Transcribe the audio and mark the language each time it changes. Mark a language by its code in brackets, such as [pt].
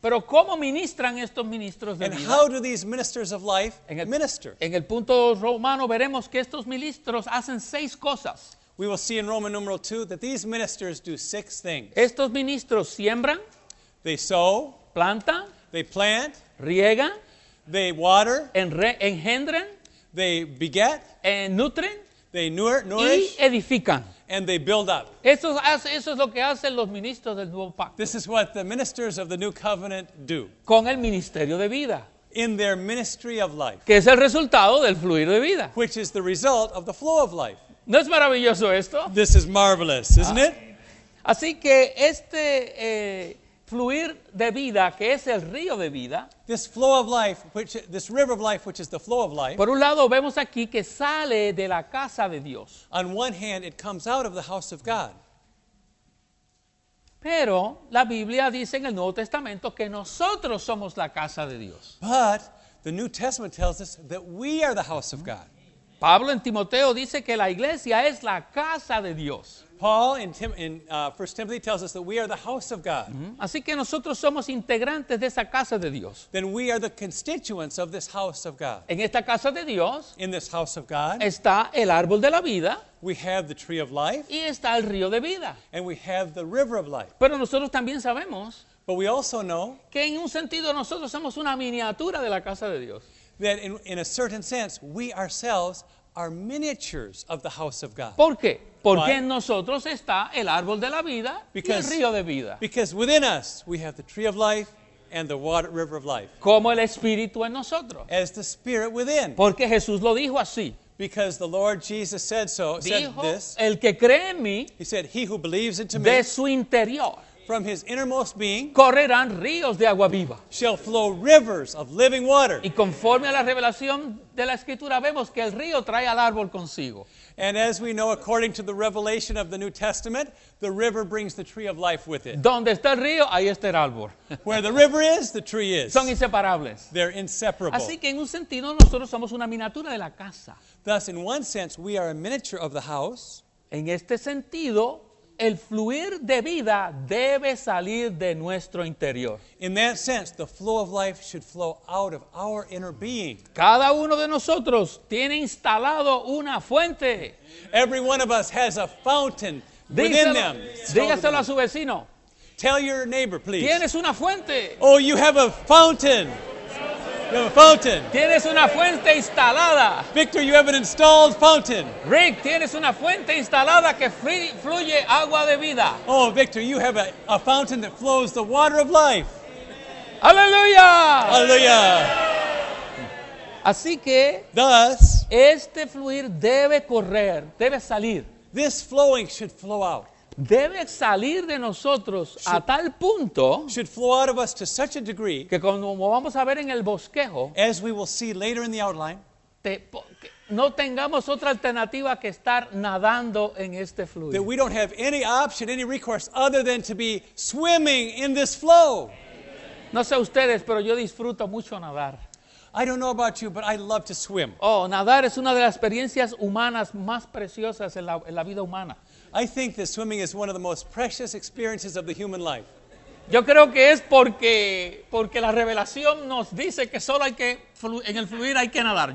[es] Pero ¿cómo ministran estos ministros de [en] And [es] vida? [en] And how do these ministers of life minister? [es] En el punto romano veremos que estos ministros hacen 6 cosas. [en] We will see in Roman numeral 2 that these ministers do 6 things. [es] Estos ministros siembran. [en] They sow. [es] Plantan. [en] They plant. [es] Riegan. [en] They water. [es] Engendran. [en] They beget. [es] Nutren. [en] They nourish. [es] Y edifican. [en] And they build up. [es] Eso es lo que hacen los ministros del nuevo pacto. [en] This is what the ministers of the new covenant do. [es] Con el ministerio de vida. [en] In their ministry of life. [es] Que es el resultado del fluir de vida. [en] Which is the result of the flow of life. [es] ¿No es maravilloso esto? [en] This is marvelous, isn't it? [es] Así que este fluir de vida, que es el río de vida. [en] This flow of life, this river of life, which is the flow of life. [es] Por un lado vemos aquí que sale de la casa de Dios. [en] On one hand, it comes out of the house of God. [es] Pero la Biblia dice en el Nuevo Testamento que nosotros somos la casa de Dios. [en] But the New Testament tells us that we are the house of God. [es] Pablo en Timoteo dice que la iglesia es la casa de Dios. [en] Paul in 1 Timothy tells us that we are the house of God. [es] Así que nosotros somos integrantes de esa casa de Dios. [en] Then we are the constituents of this house of God. [es] En esta casa de Dios, [en] in this house of God, [es] está el árbol de la vida. [en] We have the tree of life. [es] Y está el río de vida. [en] And we have the river of life. [es] Pero nosotros también sabemos, [en] but we also know, [es] que en un sentido nosotros somos una miniatura de la casa de Dios. [en] That in a certain sense, we ourselves are miniatures of the house of God. [es] ¿Por qué? Porque en nosotros está el árbol de la vida y el río de vida. [en] Because within us, we have the tree of life and the water, river of life. [es] Como el espíritu en nosotros. [en] As the spirit within. [es] Porque Jesús lo dijo así. [en] Because the Lord Jesus said so, [es] dijo, [en] said this. [es] El que cree en mí, [en] he said, he who believes into [es] de [en] me, [es] de su interior, [en] from his innermost being, [es] correrán ríos de agua viva, [en] shall flow rivers of living water. [es] Y conforme a la revelación de la escritura vemos que el río trae al árbol consigo. [en] And as we know, according to the revelation of the New Testament, the river brings the tree of life with it. [es] Donde está el río, ahí está el árbol. [en] Where the river is, the tree is. [es] Son inseparables. [en] They're inseparable. [es] Así que en un sentido nosotros somos una miniatura de la casa. [en] Thus, in one sense, we are a miniature of the house. [es] En este sentido, el fluir de vida debe salir de nuestro interior. [en] In that sense, the flow of life should flow out of our inner being. [es] Cada uno de nosotros tiene instalado una fuente. [en] Every one of us has a fountain [es] díselo, [en] within them. [es] Dígaselo a su vecino. [en] Tell your neighbor, please. [es] Tienes una fuente. [en] Oh, you have a fountain. You have a fountain. [es] Tienes una fuente instalada. [en] Victor, you have an installed fountain. [es] Rick, tienes una fuente instalada que fluye agua de vida. [en] Oh, Victor, you have a fountain that flows the water of life. [es] Aleluya. Aleluya. Así que, [en] thus, [es] este fluir debe correr, debe salir. [en] This flowing should flow out. [es] Debe salir de nosotros a tal punto [en] should flow out of us to such a degree [es] que como vamos a ver en el bosquejo [en] as we will see later in the outline [es] no tengamos otra alternativa que estar nadando en este fluir. [en] That we don't have any option, any recourse other than to be swimming in this flow. [es] No sé ustedes, pero yo disfruto mucho nadar. [en] I don't know about you, but I love to swim. [es] Oh, nadar es una de las experiencias humanas más preciosas en la vida humana. [en] I think that swimming is one of the most precious experiences of the human life. [es] Yo creo que es porque la revelación nos dice que solo hay que en el fluir hay que nadar.